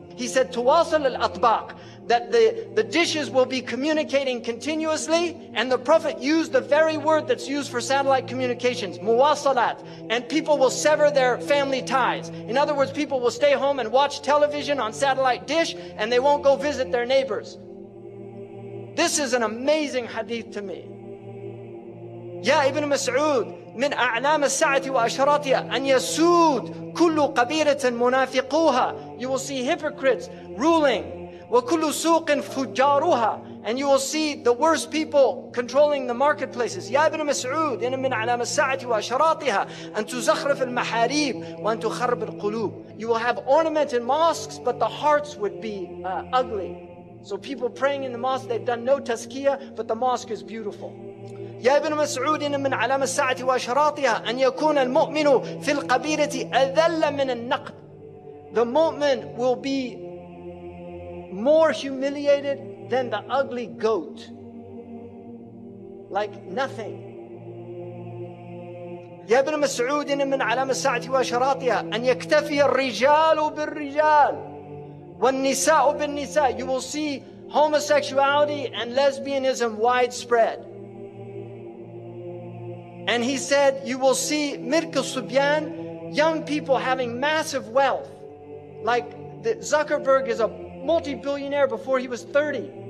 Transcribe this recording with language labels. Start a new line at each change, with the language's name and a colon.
English: He said,
Arabic: تُوَاصِلَ الْأَطْبَاقُ,
English: that the dishes will be communicating continuously, and the Prophet used the very word that's used for satellite communications, مُوَاصَلَات, and people will sever their family ties. In other words, people will stay home and watch television on satellite dish, and they won't go visit their neighbors. This is an amazing hadith to me.
Arabic: Ya Ibn Mas'ud, مِنْ أَعْلَامَ السَّاعَةِ وَأَشْرَاطِهَا أَنْ يَسُودْ كُلُّ قَبِيرَةٍ مُنَافِقُوهَا.
English: You will see hypocrites ruling.
Arabic: وَكُلُّ سُوقٍ فُجَّارُهَا.
English: And you will see the worst people controlling the marketplaces.
Arabic: يَا ابْنَ مَسْعُودِ إِنَّ مِنْ عَلَامَ السَّاعَةِ وَأَشْرَاطِهَا أَنْ تُزَخْرَفَ الْمَحَارِيبِ وَأَنْ تُخَرَّبَ الْقُلُوبِ.
English: You will have ornamented mosques, but the hearts would be ugly. So people praying in the mosque, they've done no tazkiyah, but the mosque is beautiful.
Arabic: يا ابن مسعود إن من علام الساعة وأشراطها أن يكون المؤمن في القبيلة أذل من النقد.
English: The mu'min will be more humiliated than the ugly goat. Like nothing.
Arabic: يا ابن مسعود إن من علام الساعة وأشراطها أن يكتفي الرجال بالرجال والنساء بالنساء.
English: You will see homosexuality and lesbianism widespread. And he said, you will see Mirk al-Subyan, young people having massive wealth. Like Zuckerberg is a multi-billionaire before he was 30.